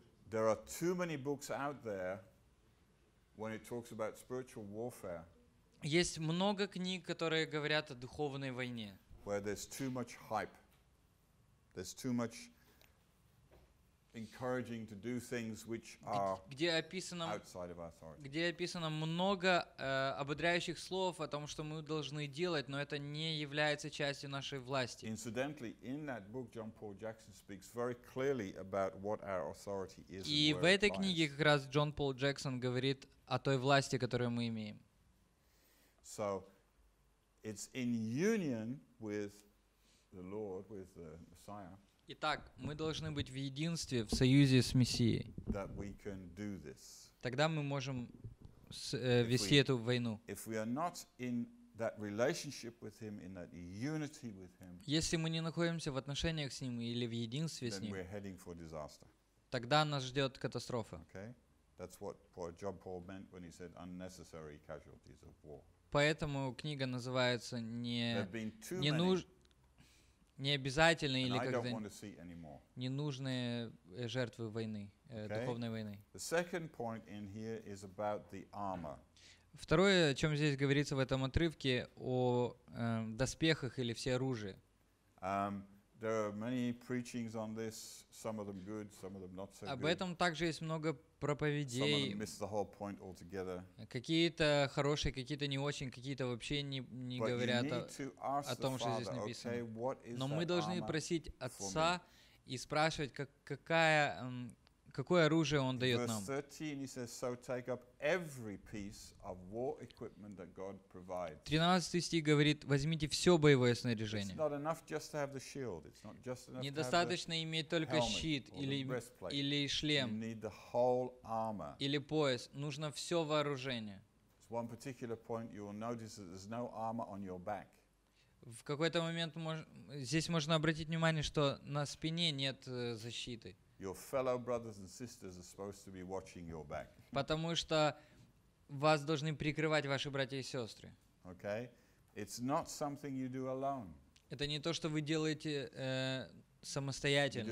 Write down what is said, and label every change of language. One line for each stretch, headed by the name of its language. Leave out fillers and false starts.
English: There are too many books out there when it talks about spiritual warfare.
Russian: Есть много книг, которые говорят о духовной войне.
English: Where there's too much hype. There's too much encouraging to do things which are outside of authority.
Russian: Где описано много ободряющих слов о том, что мы должны делать, но это не является частью нашей власти.
English: Incidentally, in that book, John Paul Jackson speaks very clearly about what our authority is.
Russian: И в этой книге как раз Джон Пол Джексон говорит о той власти, которую мы имеем.
English: So, it's in union with the Lord, with the Messiah.
Russian: Итак, мы должны быть в единстве, в союзе с Мессией.
English: That we can do this.
Russian: Тогда мы можем вести эту войну.
English: If we are not in that relationship with Him, in that unity with Him,
Russian: если мы не находимся в отношениях с Ним или в единстве
English: then
Russian: с Ним,
English: we're heading for disaster.
Russian: Тогда нас ждет катастрофа.
English: Okay? That's what John Paul meant when he said unnecessary casualties of war.
Russian: Поэтому книга называется не
English: There have been too many.
Russian: необязательные
English: and
Russian: или как-то
English: I don't want to see any more.
Russian: Ненужные жертвы войны,
English: okay?
Russian: Духовной войны.
English: The second point in here is about the armor.
Russian: Второе, о чем здесь говорится в этом отрывке, о доспехах или всеоружии.
English: There are many preachings on this. Some of them good, some of them not so good.
Russian: Об этом также есть много проповедей.
English: Some of them miss the whole point altogether.
Russian: Какие-то хорошие, какие-то не очень, какие-то вообще не говорят о том, что здесь написано. Но мы должны просить Отца и спрашивать, какое оружие Он дает нам.
English: In verse 13 he says, so take up every piece of war equipment that God provides.
Russian: 13 стих говорит, возьмите все боевое снаряжение.
English: It's not enough just to have the shield. It's not just enough.
Russian: Недостаточно иметь только щит или шлем.
English: You need the whole armor.
Russian: Или пояс. Нужно все вооружение.
English: It's one particular point you will notice that there's no armor on your back.
Russian: В какой-то момент здесь можно обратить внимание, что на спине нет защиты.
English: Your fellow brothers and sisters are supposed to be watching your back.
Russian: Потому что вас должны прикрывать ваши братья и сестры.
English: Okay, it's not something you do alone.
Russian: Это не то, что вы делаете самостоятельно.